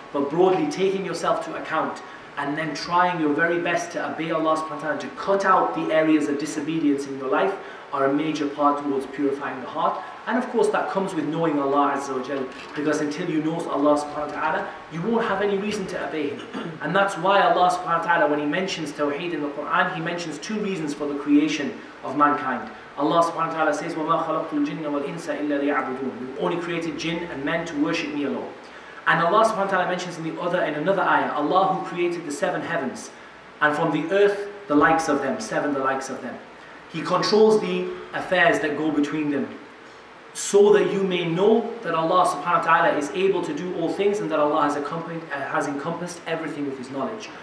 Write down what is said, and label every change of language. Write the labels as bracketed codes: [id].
[en] But broadly, taking yourself to account and then trying your very best to obey Allah subhanahu wa ta'ala, to cut out the areas of disobedience in your life, are a major part towards purifying the heart. And of course that comes with knowing Allah Azza wa Jal, because until you know Allah subhanahu wa ta'ala, you won't have any reason to obey Him. And that's why Allah subhanahu wa ta'ala, when He mentions Tawheed in the Quran, He mentions two reasons for the creation of mankind. Allah subhanahu wa ta'ala says, [ar] وَمَا خَلَقْتُ الْجِنَّ وَالْإِنسَ إِلَّا لِيَعْبُدُونَ. [en] You've only created jinn and men to worship me alone. And Allah subhanahu wa ta'ala mentions in another ayah, Allah who created the seven heavens, and from the earth the likes of them, seven the likes of them. He controls the affairs that go between them, so that you may know that Allah subhanahu wa ta'ala is able to do all things, and that Allah has encompassed everything with His knowledge.